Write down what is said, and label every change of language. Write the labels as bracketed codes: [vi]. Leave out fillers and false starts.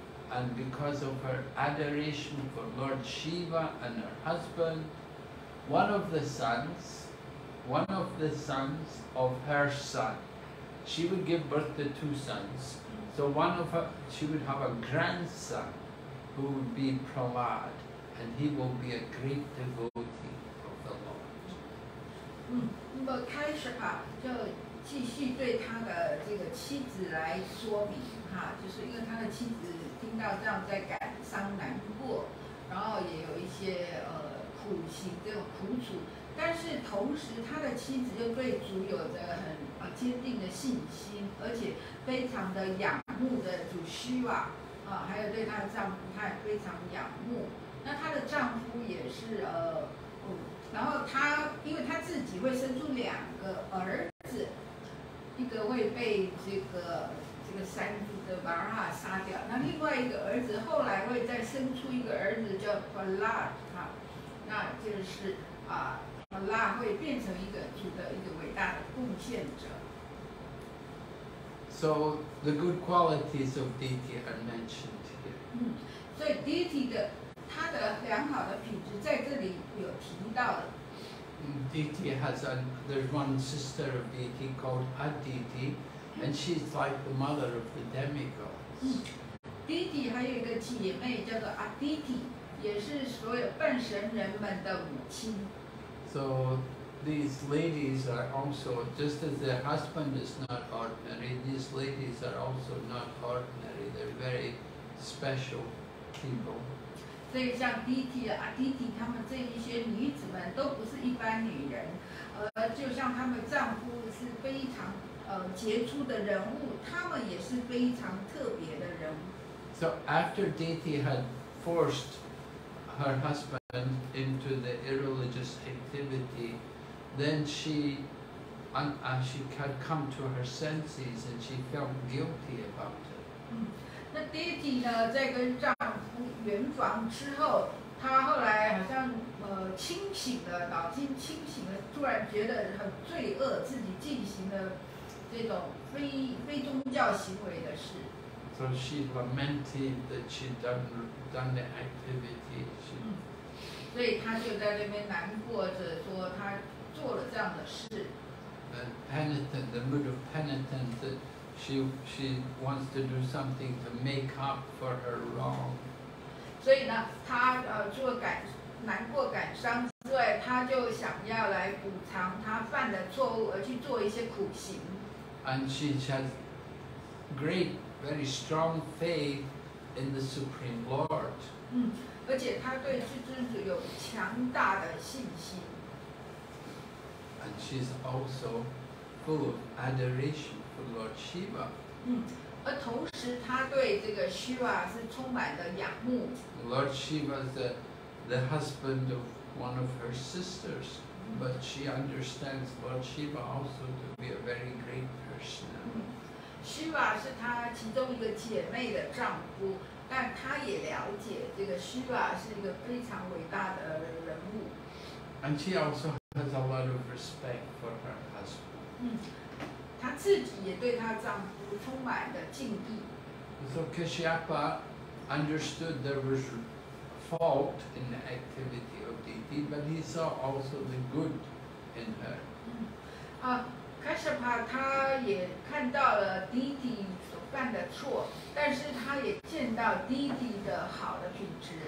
[en] And because of her adoration for Lord Shiva and her husband, one of the sons of her son, she would give birth to two sons. So she would have a grandson who would be Prahlad, and he will be a great devotee of the Lord. [zh] 那么开始吧，就继续对他的这个妻子来说明哈，就是因为他的妻子。听到这样在感伤难过，然后也有一些苦行这种苦楚，但是同时他的妻子又对主有着很坚定的信心，而且非常的仰慕的主希望还有对他的丈夫，他也非常仰慕。那他的丈夫也是然后他因为他自己会生出两个儿子，一个会被这个三猪。那另外一个儿子后来会再生出一个儿子叫 Prahlad 那就是Prahlad 会变成一个主的一个伟大的贡献者。 [en] So the good qualities of Diti are mentioned here. [zh] 所以 Diti 的他的良好的品质在这里有提到的。 [en] Diti has there's one sister of Diti called Aditi. And she's like the mother of the demigods. [zh] Diti 还有一个姐妹叫做 Aditi， 也是所有半神人们的母亲。 [en] So these ladies are also just as their husband is not ordinary. These ladies are also not ordinary. They're very special people. [zh] 所以像 Diti、Aditi 他们这一些女子们都不是一般女人，而就像他们丈夫是非常杰出的人物，他们也是非常特别的人物。 [en] So after Diti had forced her husband into the irreligious activity, then she had come to her senses and she felt guilty about it. [zh] 那 Diti 呢，在跟丈夫圆房之后，她后来好像清醒了，脑筋清醒了，突然觉得很罪恶，自己进行了这种非宗教行为的事。 [en] So she lamented that she'd done the activity. [zh] 所以她就在那边难过着，说她做了这样的事。 [en] Penitent, the mood of penitence that she wants to do something to make up for her wrong. [zh] 所以呢，她除了难过感伤之外，她就想要来补偿她犯的错误，而去做一些苦行。 [en] And she has great. Very strong faith in the Supreme Lord. [zh] 而且他对至尊主有强大的信心。 [en] And she's also full of adoration for Lord Shiva. [zh] 而同时他对这个 Shiva 是充满的仰慕。 [en] Lord Shiva is the husband of one of her sisters, but she understands Lord Shiva also to be a very great person. [zh] Shiva 是她其中一个姐妹的丈夫，但她也了解这个 Shiva 是一个非常伟大的人物。 [en] And she also has a lot of respect for her husband. [zh] 她自己也对她丈夫充满了敬意。 [en] So Kashyapa understood there was fault in the activity of Diti, but he saw also the good in her. [zh] 卡舍帕他也看到了 Diti 所犯的错，但是他也见到 Diti 的好的品质。